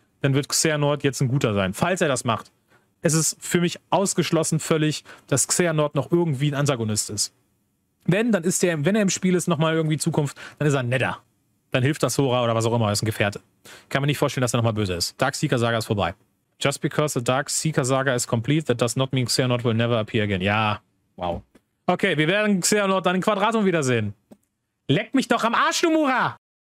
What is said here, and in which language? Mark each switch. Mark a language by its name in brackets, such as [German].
[German] Dann wird Xehanort jetzt ein Guter sein, falls er das macht. Es ist für mich ausgeschlossen völlig, dass Xehanort noch irgendwie ein Antagonist ist. Wenn, dann ist er, wenn er im Spiel ist, nochmal irgendwie Zukunft, dann ist er netter. Dann hilft das Hora oder was auch immer, ist ein Gefährte. Kann mir nicht vorstellen, dass er nochmal böse ist. Dark Seeker Saga ist vorbei. [English] Just because the Dark Seeker Saga is complete, that does not mean Xehanort will never appear again. [German] Ja, wow. Okay, wir werden Xehanort dann in Quadratum wiedersehen. Leck mich doch am Arsch, Numura!